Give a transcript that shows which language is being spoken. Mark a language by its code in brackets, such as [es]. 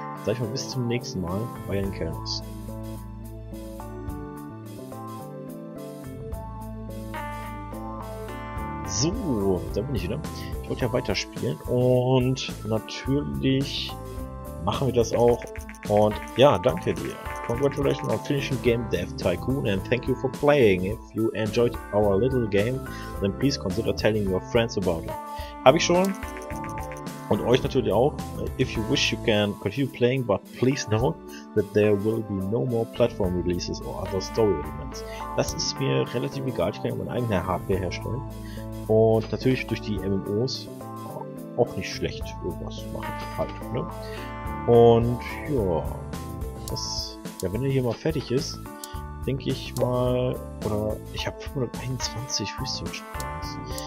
[de] Sag ich mal, bis zum nächsten Mal. Euer Kalnos. So, da bin ich wieder. Ich wollte ja weiterspielen und natürlich machen wir das auch. Und ja, danke dir. [en] Congratulations on finishing Game Dev Tycoon and thank you for playing. If you enjoyed our little game, then please consider telling your friends about it. [de] Hab ich schon. Und euch natürlich auch. [en] If you wish, you can continue playing, but please know that there will be no more platform releases or other story elements. [de] Das ist mir relativ egal. Ich kann ja meine eigene Hardware herstellen. Und natürlich durch die MMOs auch nicht schlecht irgendwas machen halt, ne? Und ja, das, ja, wenn er hier mal fertig ist, denke ich mal, oder ich habe 521 Research Points.